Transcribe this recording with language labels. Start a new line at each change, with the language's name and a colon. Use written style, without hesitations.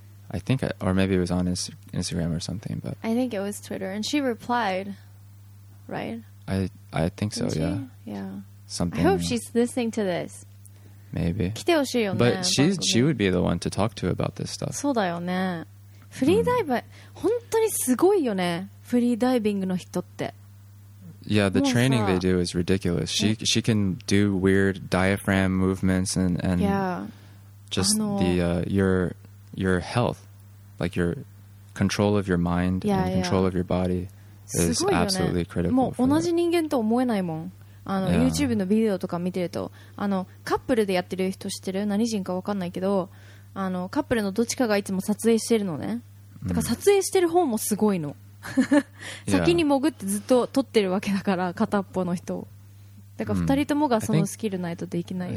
English: I think, or maybe it was on Instagram or something, but I think it was Twitter, and she replied, right? I think so. Didn't yeah. She? Yeah. Something. I hope she's listening to this. Maybe.
Japanese: 来てほしいよね。
English: But she would be the one to talk to about this stuff.
Japanese: そうだよね。フリーダイバー、本当にすごいよね。フリーダイビングの人って。
English: Yeah, the training they do is ridiculous. She can do weird diaphragm movements and yeah. just the your health, like your control of your mind yeah, and the control yeah. of your body is absolutely critical.
Japanese: もう同じ人間と思えないもん。あの、
English: yeah.
Japanese: YouTube のビデオとか見てると、あのカップルでやってる人知ってる？何人か分かんないけど、あのカップルのどっちかがいつも撮影してるのね。だから撮影してる方もすごいの。先に潜ってずっと撮ってるわけだから片っぽの人だから二人ともがそのスキルないとできないよ。